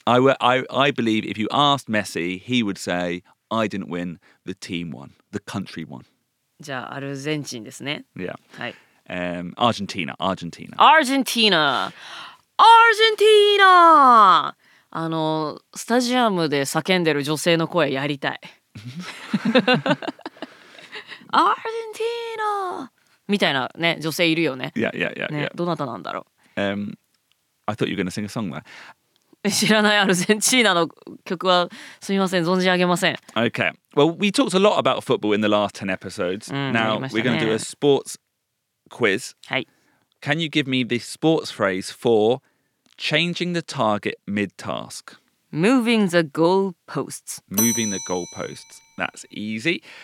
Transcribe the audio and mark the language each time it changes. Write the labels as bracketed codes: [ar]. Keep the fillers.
[en] I, I, I believe if you asked Messi, he would say, I didn't win, the team won, the country won. [ja] じゃあ、アルゼンチンですね。 [en] Yeah. はい。 um, Argentina, Argentina. Argentina! Argentina! [ja] あの、スタジアムで叫んでる女性の声やりたい。 [en] Argentina! [ja] みたいなね、女性いるよね。いやいやいや。どなたなんだろう、 [en] um, ?I thought you were gonna sing a song there. [ja] 知らないアルゼンチーナの曲はすみません、存じ上げません。 [en] Okay. Well, we talked a lot about football in the last 10 episodes.、うん、Now, we're gonna do a sports quiz. Hey. Can you give me the sports phrase for changing the target mid task? Moving the goalposts. Moving the goalposts. That's easy.